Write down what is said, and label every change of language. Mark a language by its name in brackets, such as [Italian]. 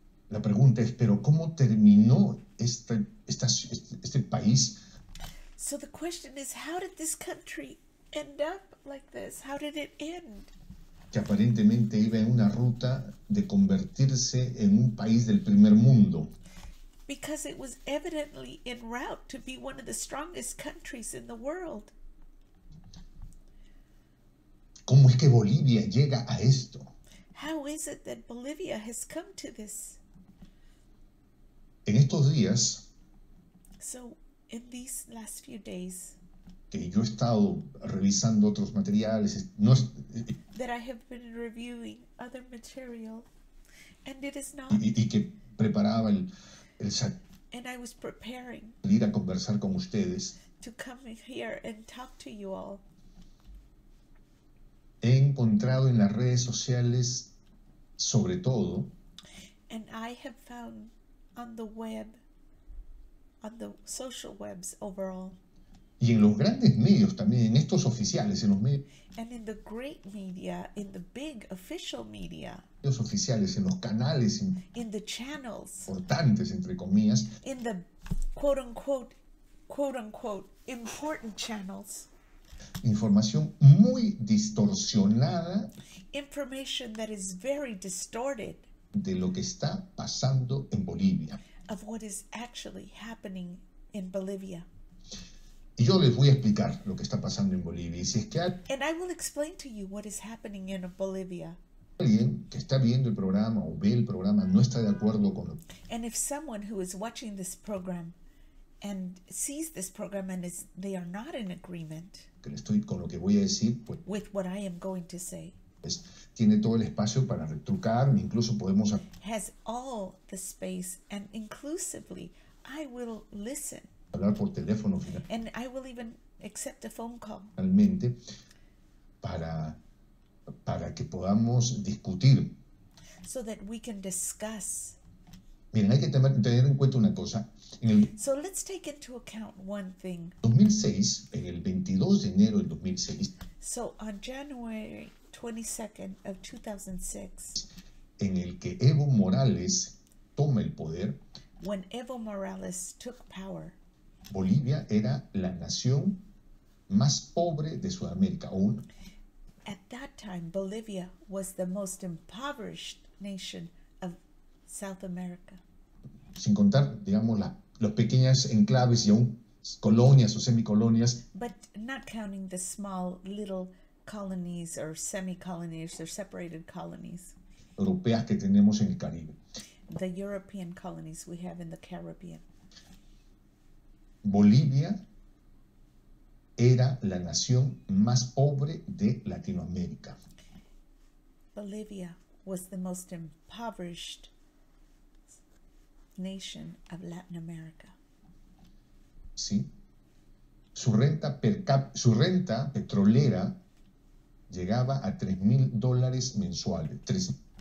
[Spanish] La pregunta es, pero ¿cómo terminó este país? [English] So the question is, how did this country end up like this? How did it end? [Spanish] Que aparentemente iba en una ruta de convertirse en un país del primer mundo. [English] Because it was evidently en route to be one of the strongest countries in the world. [Spanish] ¿Cómo es que Bolivia llega a esto? [English] How is it that Bolivia has come to this? [Spanish] En estos días, [English] so in these last few days, [Spanish] que yo he estado revisando otros materiales, no es, [English] that I have been reviewing other material, and it is not, [Spanish] y que preparaba el [English] and I was preparing [Spanish] ir a conversar con ustedes, [English] to come here and talk to you all. [Spanish] He encontrado en las redes sociales, sobre todo, [English] and I have found on the web, on the social webs overall, [Spanish] y en los grandes medios también, en estos oficiales, en los medios, [English] and in the great media, in the big official media, [Spanish] los oficiales, en los canales, [English] in the channels, [Spanish] importantes entre comillas, [English] in the quote unquote important channels, [Spanish] información muy distorsionada, [English] information that is very distorted. [Spanish] De lo que está pasando en Bolivia. [English] Of what is actually happening in Bolivia. [Spanish] Y yo les voy a explicar lo que está pasando en Bolivia. Y si es que hay... [English] And I will explain to you what is happening in Bolivia. [Spanish] Alguien que está viendo el programa o ve el programa no está de acuerdo con lo... [English] And if someone who is watching this program and sees this program and is, they are not in agreement, [Spanish] que estoy con lo que voy a decir, pues... [English] with what I am going to say, [Spanish] pues, tiene todo el espacio para retrucar, incluso podemos... [English] Has all the space, and inclusively, I will listen. [Spanish] hablar por teléfono final. [English] And I will even accept a phone call. [Spanish] Realmente, para que podamos discutir. [English] So that we can discuss. [Spanish] Miren, hay que tener en cuenta una cosa. En el [English] so let's take into account one thing. [Spanish] 2006, en el 22 de enero del 2006. [English] So on January 22nd of 2006. [Spanish] En el que Evo Morales toma el poder. [English] When Evo Morales took power. [Spanish] Bolivia era la nación más pobre de Sudamérica. Aún. [English] At that time, Bolivia was the most impoverished nation of South America. [Spanish] Sin contar, digamos, los pequeños enclaves y aún colonias o semicolonias. [English] But not counting the small little colonies or semi-colonies or separated colonies. [Spanish] Europeas que tenemos en el Caribe. [English] The European colonies we have in the Caribbean. [Spanish] Bolivia era la nación más pobre de Latinoamérica. [English] Bolivia was the most impoverished nation of Latin America. [Spanish] Sí. Su renta petrolera llegaba a $3,000 mensuales.